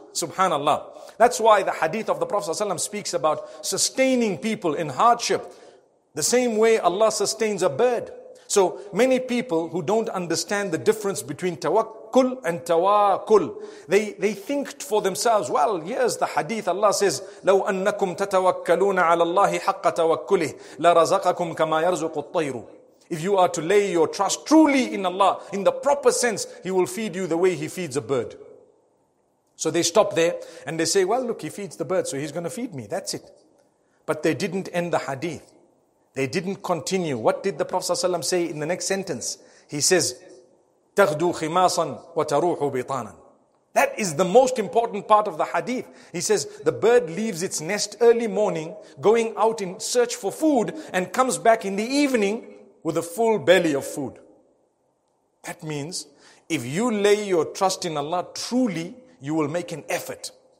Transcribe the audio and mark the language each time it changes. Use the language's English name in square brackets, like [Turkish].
[English] Subhanallah. That's why the hadith of the Prophet ﷺ speaks about sustaining people in hardship. The same way Allah sustains a bird. So many people who don't understand the difference between tawakkul and tawakul, they think for themselves, well, here's the hadith. Allah says, [Arabic] لَوْ أَنَّكُمْ تَتَوَكَّلُونَ عَلَى اللَّهِ حَقَّ تَوَكُّلِهِ لَرَزَقَكُمْ كَمَا يَرْزُقُ الطَّيْرُ. [English] If you are to lay your trust truly in Allah, in the proper sense, He will feed you the way He feeds a bird. So they stop there and they say, well, look, He feeds the bird, so He's going to feed me. That's it. But they didn't end the hadith. They didn't continue. What did the Prophet ﷺ say in the next sentence? He says, [Arabic] تَغْدُو خِمَاصًا وَتَرُوحُ بِطَانًا. [English] That is the most important part of the hadith. He says, the bird leaves its nest early morning, going out in search for food, and comes back in the evening with a full belly of food. That means, if you lay your trust in Allah truly, you will make an effort.